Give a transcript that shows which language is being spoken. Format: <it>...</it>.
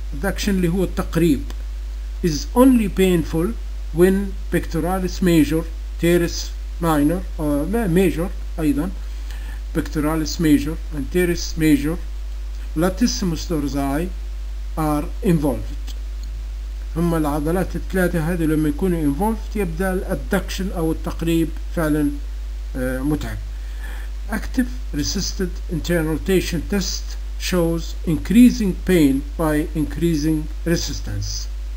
<ar>الادكشن اللي هو التقريب</ar> <en>is only painful when pectoralis major teres minor or major</en> <ar>ايضا</ar> <en>pectoralis major and teres major latissimus dorsi are involved.</en> <ar>هما العضلات الثلاثة هذه لما يكونوا</ar> <en>involved</en> <ar>يبدأ الادكشن أو التقريب فعلا متعب.</ar> <en>Active resisted internal rotation test shows increasing pain by increasing resistance.</en>